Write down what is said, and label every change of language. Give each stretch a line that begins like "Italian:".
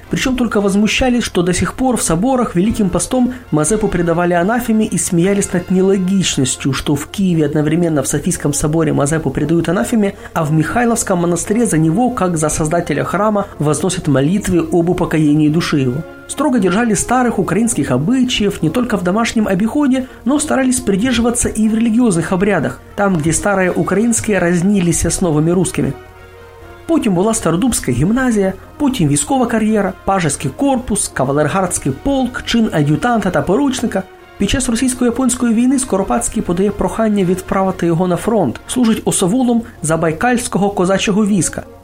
Ukrainian: Причому тільки возмущались, що до сих пор в соборах Великим постом Мазепу предавали анафемі і сміялись над нелогічністю, що в Києві одновременно в Софійському соборі Мазепу предають анафемі, а в Михайловському монастирі за нього, як за создателя храма, возносять молитви об упокоєнні душі його.
Russian: Строго держали старих українських обычаев не только в домашнем обиходе, но старались придерживаться и в религиозных обрядах, там, где старые украинские разнились с новыми русскими.
Ukrainian: Потім була Стародубська гімназія, потім військова кар'єра, пажеський корпус, кавалергардський полк, чин ад'ютанта та поручника. Під час російсько-японської війни Скоропадський подає прохання відправити його на фронт, служить осавулом Забайкальського козачого війська.